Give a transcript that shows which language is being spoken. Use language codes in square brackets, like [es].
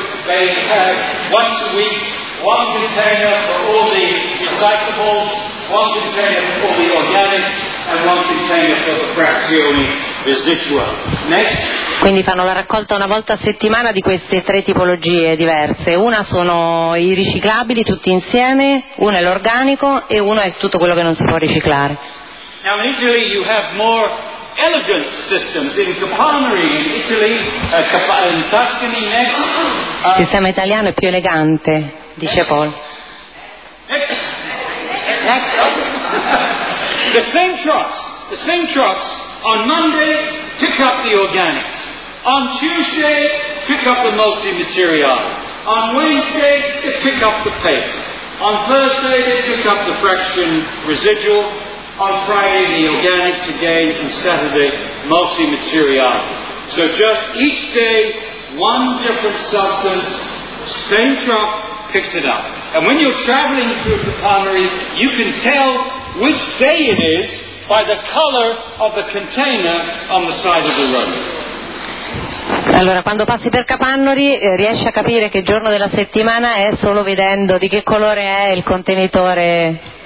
[en] They have once a week one container for all the recyclables, one container for all the organics, and one container for the [it] frazioni residua. [en] Next. [it] Quindi fanno la raccolta una volta a settimana di queste tre tipologie diverse. Una sono i riciclabili tutti insieme, uno è l'organico e uno è tutto quello che non si può riciclare. [en] Now in Italy you have more elegant systems. In Capanari, in Italy, in Tuscany, next. [it] Il sistema italiano è più elegante, dice next. [en] Paul. Next. The same trucks, on Monday, pick up the organics. On Tuesday, pick up the multi-material. On Wednesday, they pick up the paper. On Thursday, they pick up the fraction residual. On Friday, the organics again. And Saturday, multi-material. So just each day, one different substance, same truck, picks it up. And when you're traveling through the Capanari, you can tell which day it is by the color of the container on the side of the road. [it] Allora, quando passi per Capannori riesci a capire che giorno della settimana è solo vedendo di che colore è il contenitore.